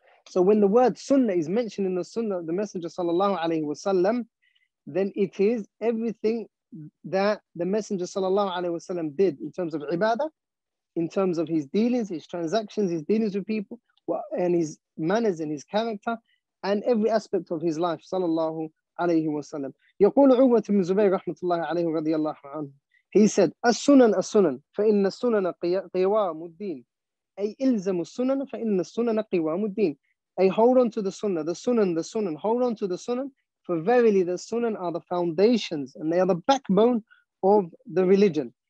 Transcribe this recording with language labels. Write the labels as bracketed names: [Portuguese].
[English] So when the word sunnah is mentioned in the sunnah of the Messenger sallallahu alaihi wasallam, then it is everything that the Messenger sallallahu alaihi wasallam did in terms of ibadah, in terms of his dealings, his transactions, his dealings with people, and his manners and his character, and every aspect of his life, sallallahu alayhi wa sallam. [Arabic] يقول عروة بن زبير رحمة الله عليه رضي الله عنه. [English] He said, [Arabic] السنن السنن فإن السنن قوام الدين. أي إلزم السنن فإن السنن قوام الدين. [English] أي hold on to the sunnah, the sunnan, hold on to the sunnan, for verily the sunnan are the foundations, and they are the backbone of the religion.